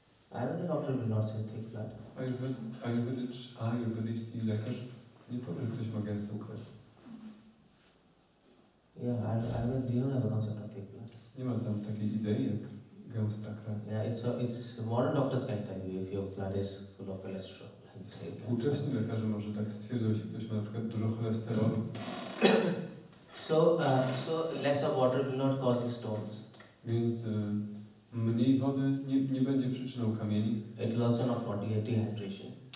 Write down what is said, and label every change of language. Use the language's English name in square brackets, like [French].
[English] Ayurvedic doctor will not say take blood. [Polish] Ayurvedic lekarz nie powie, ktoś ma gęstą krew. [English] Yeah, Ayurvedic don't have a concept of take blood. [Polish] Nie ma tam takiej idei, jak gęsta krew. [English] Yeah, it's modern doctors can tell you if your blood is full of cholesterol. [Polish] Współczesny lekarze może tak stwierdzić, jeśli ktoś ma na przykład dużo cholesterolu. [English] So less of water will not cause you stones. [Polish] Więc mniej wody nie będzie przyczyną kamieni. [English] It will also not cause dehydration.